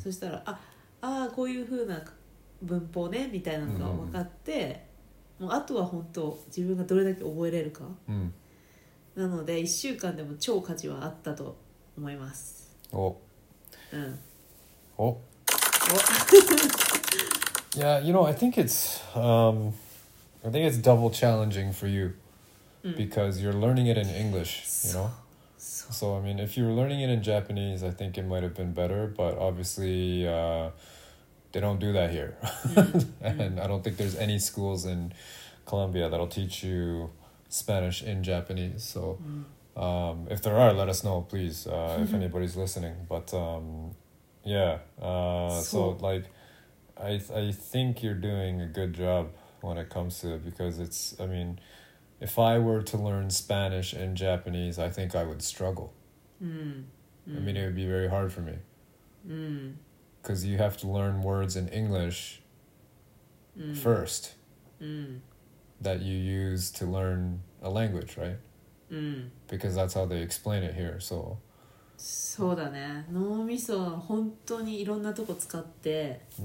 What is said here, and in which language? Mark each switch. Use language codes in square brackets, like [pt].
[ja] そしたらああこういう風な文法ねみたいなのが分かって、うん、もうあとは本当自分がどれだけ覚えれるか、うん、なので1週間でも超価値はあったと思います。お、うん、おお。 [en] Yeah, you know, I think it's double challenging for you、 mm. because you're learning it in English, you know? So, I mean, if you were learning it in Japanese, I think it might have been better, but obviously, they don't do that here. And I don't think there's any schools in Colombia that'll teach you Spanish in Japanese. So, if there are, let us know, please, if anybody's listening. But, so, I think you're doing a good job when it comes to it, because it's, I mean, if I were to learn Spanish and Japanese, I think I would struggle. Mm. I mean, it would be very hard for me. Because you have to learn words in English first that you use to learn a language, right? Because that's how they explain it here, so. [ja] そうだね。脳みそは本当にいろんなとこ使って。